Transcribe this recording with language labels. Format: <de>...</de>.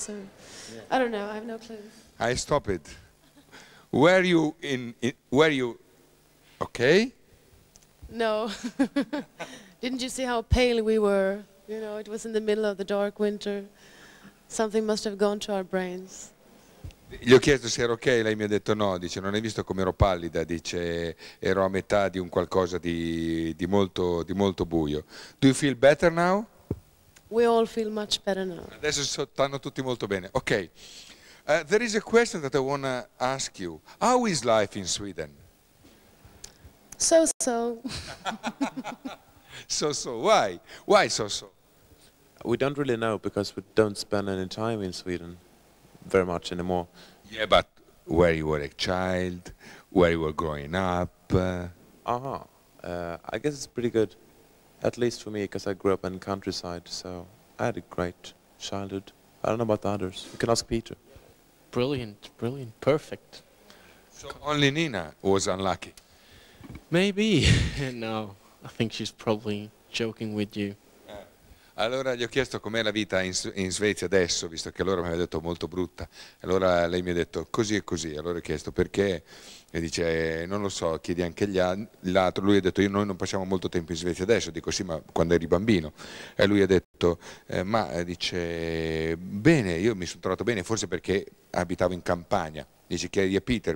<en>So yeah. I don't know, I have no clue. I stop it. Were you were you okay? No. Didn't you see how pale we were? You know, it was in the middle of the dark winter. Something must have gone to our brains.</en> <it>Gli ho chiesto se ero ok, lei mi ha detto no, dice non hai visto come ero pallida, dice ero a metà di un qualcosa di molto buio.</it> <en>Do you feel better now? We all feel much better now.</en> <it>Adesso stanno tutti molto bene. Ok.</it> <en>There is a question that I want to ask you. How is life in Sweden? So-so. So-so. Why? Why so-so? We don't really know because we don't spend any time in Sweden very much anymore. Yeah, but where you were a child, where you were growing up. I guess it's pretty good, at least for me, because I grew up in the countryside, so I had a great childhood. I don't know about the others. You can ask Peter. Brilliant, brilliant, perfect. So only Nina was unlucky? Maybe. No, I think she's probably joking with you.</en> <it>Allora gli ho chiesto com'è la vita in Svezia adesso, visto che allora mi aveva detto molto brutta. Allora lei mi ha detto così e così. Allora ho chiesto perché. E dice, non lo so, chiedi anche l'altro. Lui ha detto, noi non passiamo molto tempo in Svezia adesso. Dico, sì, ma quando eri bambino. E lui ha detto, ma dice, bene, io mi sono trovato bene, forse perché abitavo in campagna. Dice, chiedi a Peter.</it>